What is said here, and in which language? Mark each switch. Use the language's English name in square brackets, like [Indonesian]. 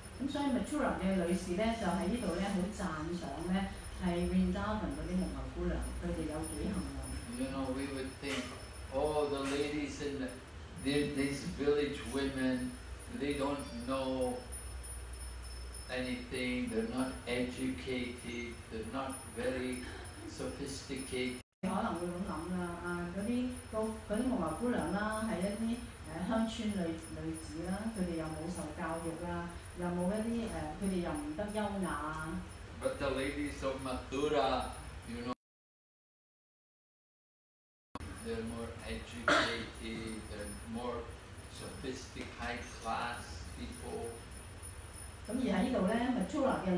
[Chinese] 所以Mathura的女士就在這裡很讚賞是Vrindavan的蒙古姑娘，她們有多幸運。 [English] You know, we would think, oh, the ladies in these village women, they don't know anything, they're not educated, they're not very sophisticated. [Chinese] 可能會這樣想，那些蒙古姑娘是一些鄉村女子，她們又沒有受教育。 [English] But the ladies of Mathura, you know, they're more educated, they're more sophisticated, high class people.